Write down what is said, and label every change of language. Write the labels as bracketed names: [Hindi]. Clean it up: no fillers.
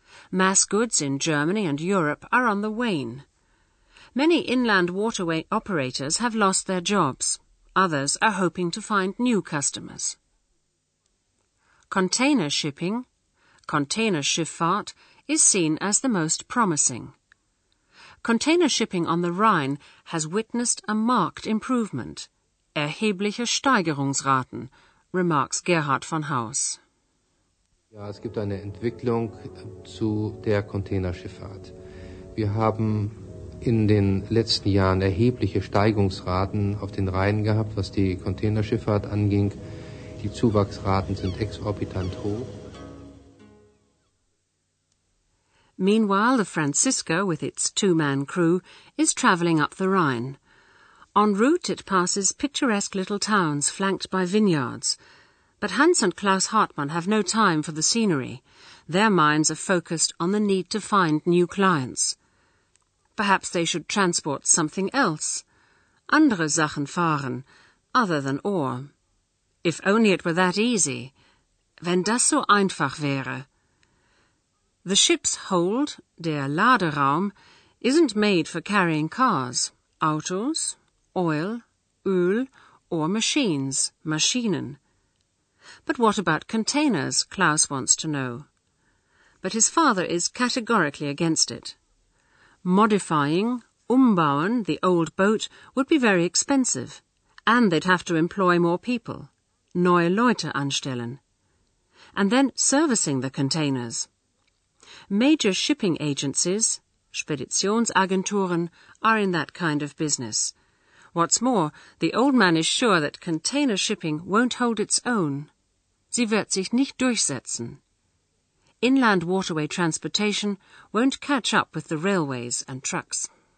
[English] Mass goods in Germany and Europe are on the wane. Many inland waterway operators have lost their jobs. Others are hoping to find new customers. Container shipping, container Schifffahrt, is seen as the most promising. Container shipping on the Rhine has witnessed a marked improvement. [German] Erhebliche Steigerungsraten, remarks Gerhard von Haus. Ja, es gibt eine Entwicklung zu der Containerschifffahrt. Wir haben in den letzten Jahren erhebliche Steigerungsraten auf den Rhein gehabt, was die Containerschifffahrt anging. Die Zuwachsraten sind exorbitant hoch. [English] Meanwhile, the Francisco, with its two-man crew, is traveling up the Rhine. En route, it passes picturesque little towns flanked by vineyards. But Hans and Klaus Hartmann have no time for the scenery. Their minds are focused on the need to find new clients. Perhaps they should transport something else. [German] Andere Sachen fahren, [English] other than ore. If only it were that easy. [German] Wenn das so einfach wäre. [English] The ship's hold, der Laderaum, isn't made for carrying cars, autos, oil, Öl, or machines, Maschinen. But what about containers, Klaus wants to know. But his father is categorically against it. Modifying, umbauen, the old boat would be very expensive, and they'd have to employ more people, [German] neue Leute anstellen. [English] And then servicing the containers. Major shipping agencies, Speditionsagenturen, are in that kind of business. What's more, the old man is sure that container shipping won't hold its own. [German] Sie wird sich nicht durchsetzen. [English] Inland waterway transportation won't catch up with the railways and trucks.